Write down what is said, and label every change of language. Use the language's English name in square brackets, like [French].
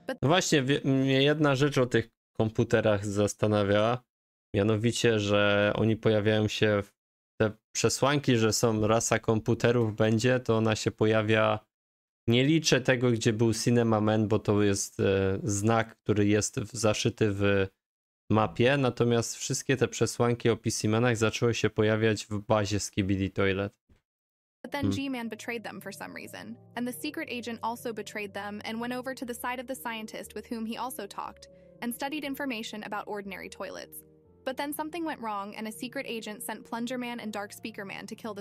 [English] But [Polish] no właśnie, mnie jedna rzecz o tych komputerach zastanawiała, mianowicie, że oni pojawiają się w te przesłanki, że są rasa komputerów będzie, to ona się pojawia. Nie liczę tego, gdzie był Cinema Man, bo to jest znak, który jest zaszyty w mapie. Natomiast wszystkie te przesłanki o PC Manach zaczęły się pojawiać w bazie Skibidi Toilet. [English] But then G-Man betrayed them for some reason. And the secret agent also betrayed them and went over to the side of the scientist with whom he also talked and studied information about ordinary toilets. But then something went wrong and a secret agent sent Plunger Man and Dark Speaker Man to kill the